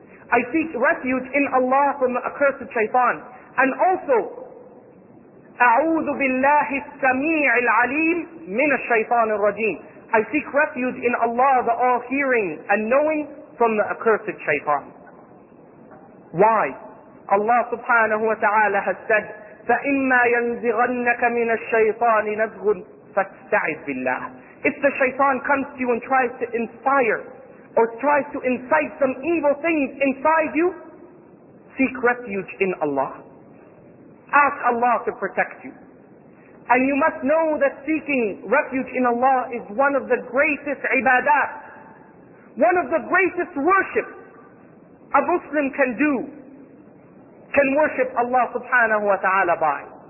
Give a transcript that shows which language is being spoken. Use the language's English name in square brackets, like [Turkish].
[English] I seek refuge in Allah from the accursed shaitan. And also, [Arabic] A'udhu billahi as-sami' al-alim min ash-shaytan ar-rajim. [English] I seek refuge in Allah, the all-hearing and knowing, from the accursed shaitan. Why? Allah subhanahu wa ta'ala has said, [Arabic] فَإِمَّا يَنْزِغَنَّكَ مِنَ الشَّيْطَانِ نَزْغٌ فَاسْتَعِذْ بِاللَّهِ. [English] If the shaitan comes to you and tries to inspire or tries to incite some evil things inside you, seek refuge in Allah. Ask Allah to protect you. And you must know that seeking refuge in Allah is one of the greatest ibadat, one of the greatest worship a Muslim can do, can worship Allah subhanahu wa ta'ala by.